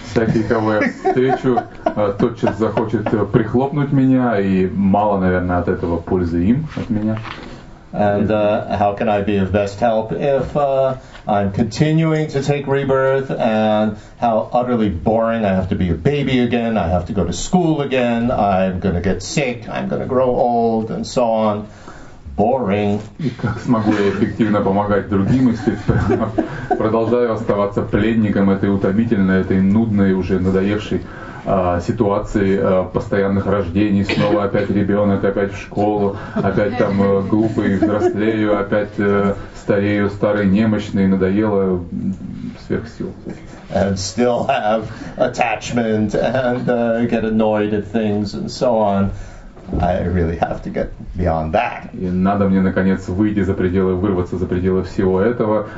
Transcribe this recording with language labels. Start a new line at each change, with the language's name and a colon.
Russian: Всякий, кого я встречу, тотчас захочет прихлопнуть меня, и мало, наверное, от этого пользы им от меня.
English: And how can I be of best help if I'm continuing to take rebirth, and how utterly boring, I have to be a baby again, I have to go to school again, I'm going to get sick, I'm going to grow old, and so on. Boring.
Russian: И как смогу я эффективно помогать другим, если продолжаю оставаться пленником этой утомительной, этой нудной, уже надоевшей ситуации постоянных рождений, снова опять ребенок, опять в школу, опять там глупый, взрослею, опять старею, старый, немощный, надоело, сверх сил.
English: And still have attachment and get annoyed at things and so on. I really have to get beyond that.
Russian: И надо мне наконец выйти за пределы, вырваться за пределы всего этого.